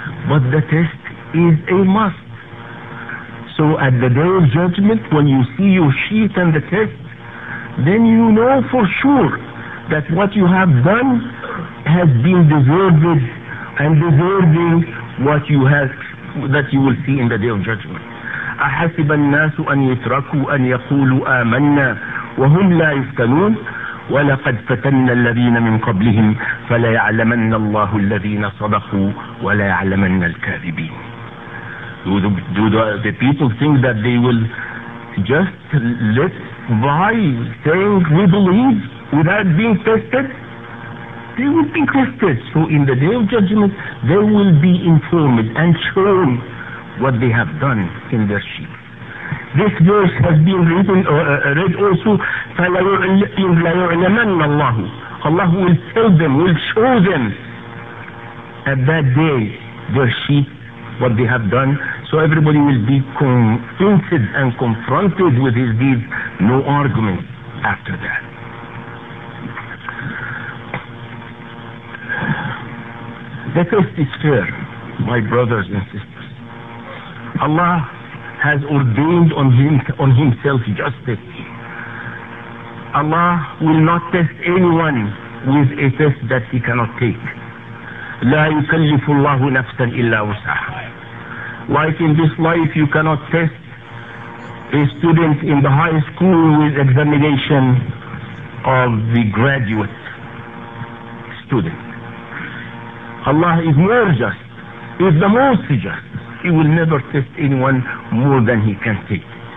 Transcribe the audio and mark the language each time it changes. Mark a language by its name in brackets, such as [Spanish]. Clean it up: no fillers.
[English] But the test is a must. So at the day of judgment, when you see your sheet and the test, then you know for sure that what you have done has been deserved and deserving what you have, that you will see in the day of judgment. [Arabic] أحسب الناس أن يتركوا أن يقولوا آمنا وهم لا يفتنون ولقد فتنا الذين من قبلهم فليعلمن الله الذين صدقوا وليعلمن الكاذبين. [English] Do the people think that they will just let by saying we believe without being tested? They will be tested. So in the day of judgment, they will be informed and shown what they have done in their sheep. This verse has been written, read also, [Arabic] فَلَيُعْلَمَنَّ اللَّهُ. [English] Allah will tell them, will show them at that day their sheep, what they have done. So everybody will be convinced and confronted with his deeds. No argument after that. The test is fair, my brothers and sisters. Allah has ordained on himself justice. Allah will not test anyone with a test that he cannot take. [Arabic] لا يكلف الله نفسا إلا وسعها. [English] Like in this life, you cannot test a student in the high school with examination of the graduate student. Allah is more just, is the most just. He will never test anyone more than he can take.